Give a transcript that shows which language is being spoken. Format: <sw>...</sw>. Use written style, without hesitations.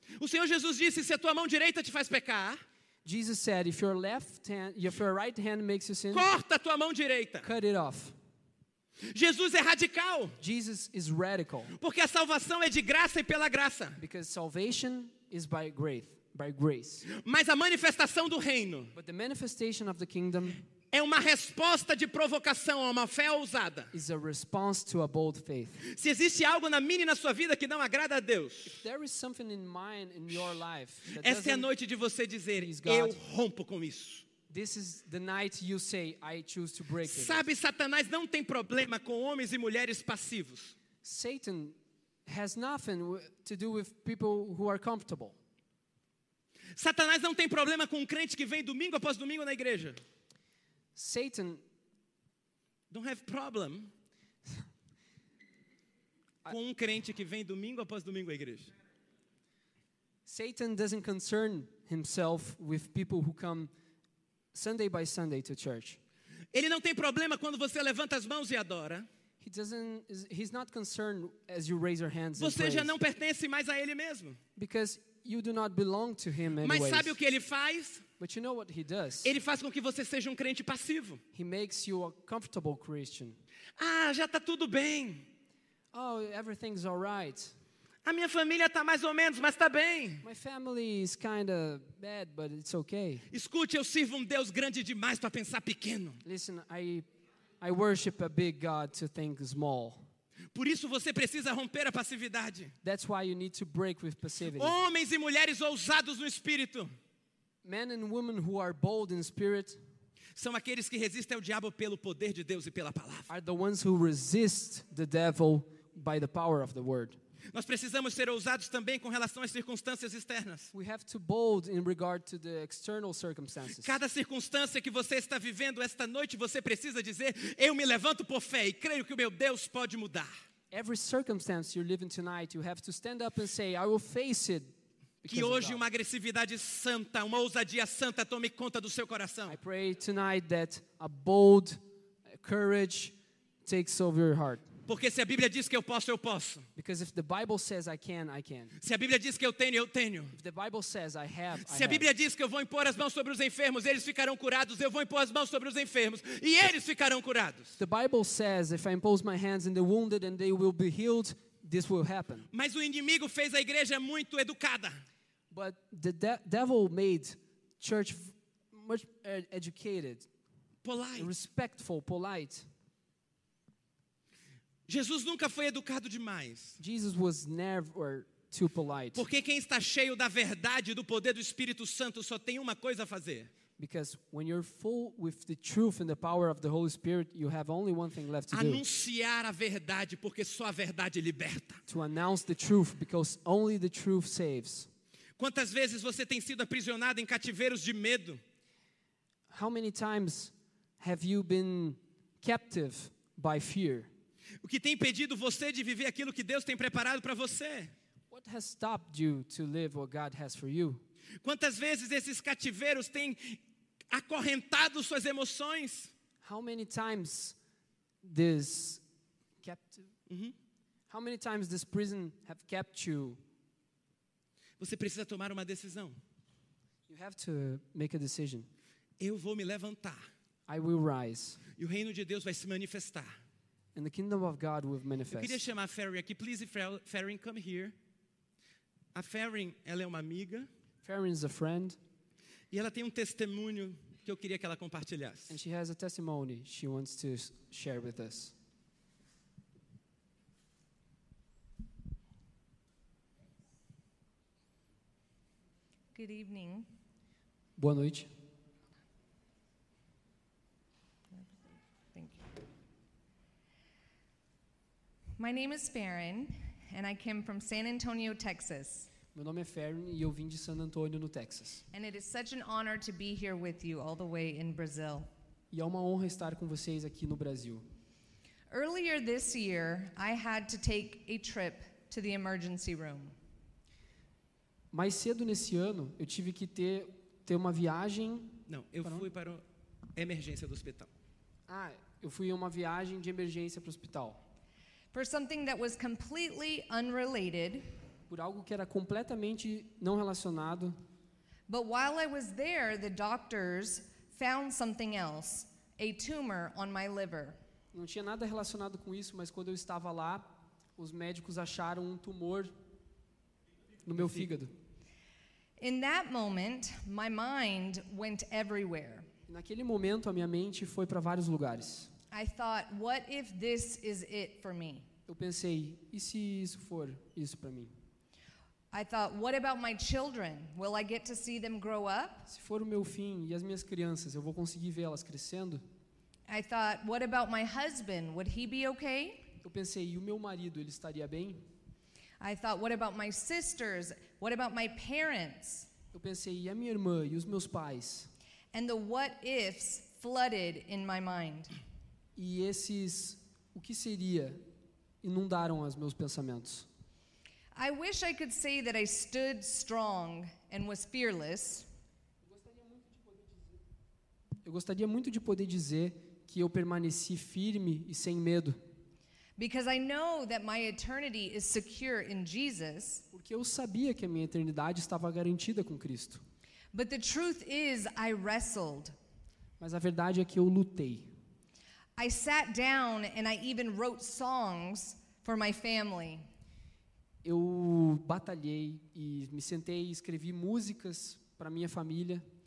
<pt>O Senhor Jesus disse, se a tua mão direita te faz pecar,</pt> <en>Jesus said, if your right hand makes you sin,</en> <pt>corta a tua mão direita.</pt> <en>Cut it off.</en> <pt>Jesus é radical.</pt> <en>Jesus is radical.</en> <pt>Porque a salvação é de graça e pela graça.</pt> <en>Because salvation is by grace.</en> <pt>Mas a manifestação do reino,</pt> <en>but the manifestation of the kingdom,</en> <pt>É uma resposta de provocação a uma fé ousada.</pt> <en>Is a response to a bold faith.</en> <pt>Se existe algo na minha e na sua vida que não agrada a Deus,</pt> <en>if there is something in mine, in your life,</en> <pt>that essa é a noite de você dizer, God, eu rompo com isso.</pt> <en>This is the night you say, I choose to break it.</en> <pt>Sabe, Satanás não tem problema com homens e mulheres passivos.</pt> <en>Satan has nothing to do with people who are comfortable.</en> <pt>Satanás não tem problema com um crente que vem domingo após domingo na igreja.</pt> <en>Satan don't have problem</en> <pt>com um crente que vem domingo após domingo à igreja.</pt> <en>Satan doesn't concern himself with people who come Sunday by Sunday to church.</en> <pt>Ele não tem problema quando você levanta as mãos e adora.</pt> <en>He's not concerned as you raise your hands.</en> <pt>Você já não pertence mais a ele mesmo.</pt> <en>Because you do not belong to him anyways.</en> <pt>Mas sabe o que ele faz?</pt> <en>But you know what he does?</en> <pt>Ele faz com que você seja um crente passivo.</pt> <en>He makes you a comfortable Christian.</en> <pt>Ah, já está tudo bem.</pt> <en>Oh, everything's all right.</en> <pt>A minha família está mais ou menos, mas está bem.</pt> <en>My family is kind of bad, but it's okay.</en> <pt>Escute, eu sirvo um Deus grande demais para pensar pequeno.</pt> <en>Listen, I worship a big God to think small.</en> <pt>Por isso você precisa romper a passividade.</pt> <en>That's why you need to break with passivity.</en> <pt>Homens e mulheres ousados no espírito.</pt> <en>Men and women who are bold in spirit</en> <pt>são aqueles que resistem ao diabo pelo poder de Deus e pela palavra.</pt> <en>Are the ones who resist the devil by the power of the word.</en> <pt>Nós precisamos ser ousados também com relação às circunstâncias externas.</pt> <en>We have to bold in regard to the external circumstances.</en> <pt>Cada circunstância que você está vivendo esta noite, você precisa dizer, eu me levanto por fé e creio que o meu Deus pode mudar.</pt> <en>Every circumstance you're living tonight, you have to stand up and say, I will face it.</en> <pt>Que hoje uma agressividade santa, uma ousadia santa tome conta do seu coração.</pt> <en>I pray tonight that a bold courage takes over your heart.</en> <pt>Porque se a Bíblia diz que eu posso, eu posso.</pt> <en>Because if the Bible says I can, I can.</en> <pt>Se a Bíblia diz que eu tenho, eu tenho.</pt> <en>If the Bible says I have,</en> <pt>se a Bíblia diz que eu vou impor as mãos sobre os enfermos, eles ficarão curados. Eu vou impor as mãos sobre os enfermos e eles ficarão curados.</pt> <en>The Bible says if I impose my hands on the wounded and they will be healed, this will happen.</en> <pt>Mas o inimigo fez a igreja muito educada.</pt> <en>But the devil made church much educated. Polite. Respectful, polite.</en> <pt>Jesus nunca foi educado demais.</pt> <en>Jesus was never too polite.</en> <pt>Porque quem está cheio da verdade e do poder do Espírito Santo só tem uma coisa a fazer.</pt> <en>Because when you're full with the truth and the power of the Holy Spirit, you have only one thing left to do.</en> <pt>Anunciar a verdade, porque só a verdade liberta.</pt> <en>To announce the truth, because only the truth saves.</en> <pt>Quantas vezes você tem sido aprisionado em cativeiros de medo?</pt> <en>How many times have you been captive by fear?</en> <pt>O que tem impedido você de viver aquilo que Deus tem preparado para você?</pt> <en>What has stopped you to live what God has for you?</en> <pt>Quantas vezes esses cativeiros têm acorrentado suas emoções?</pt> <en>How many times this captive? How many times this prison have kept you?</en> <pt>Você precisa tomar uma decisão.</pt> <en>You have to make a decision.</en> <pt>Eu vou me levantar.</pt> <en>I will rise.</en> <pt>E o reino de Deus vai se manifestar.</pt> <en>And the kingdom of God will manifest.</en> <pt>Eu queria chamar a Farin aqui.</pt> <en>Please, Farin, come here.</en> <pt>A Farin, ela é uma amiga.</pt> <en>Farin is a friend.</en> <pt>E ela tem um testemunho que eu queria que ela compartilhasse.</pt> <en>And she has a testimony she wants to share with us. Good evening.</en> <pt>Boa noite.</pt> <en>My name is Farin, and I came from San Antonio, Texas.</en> <pt>Meu nome é Farin e eu vim de San Antonio, no Texas.</pt> <en>And it is such an honor to be here with you all the way in Brazil.</en> <pt>E é uma honra estar com vocês aqui no Brasil.</pt> <en>Earlier this year, I had to take a trip to the emergency room.</en> <pt>Mais cedo nesse ano, eu tive que ter uma viagem. Não, eu fui para a emergência do hospital. Ah, eu fui em uma viagem de emergência para o hospital.</pt> <en>For something that was completely unrelated.</en> <pt>Por algo que era completamente não relacionado.</pt> <en>But while I was there, the doctors found something else, a tumor on my liver.</en> <pt>Não tinha nada relacionado com isso, mas quando eu estava lá, os médicos acharam um tumor no meu fígado.</pt> <en>In that moment, my mind went everywhere.</en> <pt>Naquele momento, a minha mente foi para vários lugares.</pt> <en>I thought, what if this is it for me?</en> <pt>Eu pensei, e se isso for isso para mim?</pt> <en>I thought, what about my children? Will I get to see them grow up?</en> <pt>Se for o meu fim e as minhas crianças, eu vou conseguir vê-las crescendo?</pt> <en>I thought, what about my husband? Would he be okay?</en> <pt>Eu pensei, e o meu marido, ele estaria bem?</pt> <en>I thought, what about my sisters? What about my parents?</en> <pt>Eu pensei, e a minha irmã e os meus pais?</pt> <en>And the what ifs flooded in my mind.</en> <pt>E esses o que seria inundaram os meus pensamentos.</pt> <en>I wish I could say that I stood strong and was fearless.</en> <pt>Eu gostaria muito de poder dizer que eu permaneci firme e sem medo.</pt> <en>Because I know that my eternity is secure in Jesus.</en> <pt>Porque eu sabia que a minha eternidade estava garantida com Cristo.</pt> <en>But the truth is, I wrestled.</en> <pt>Mas a verdade é que eu lutei.</pt> <en>I sat down and I even wrote songs for my family.</en> <pt>Eu batalhei e me sentei e escrevi músicas para minha família.</pt>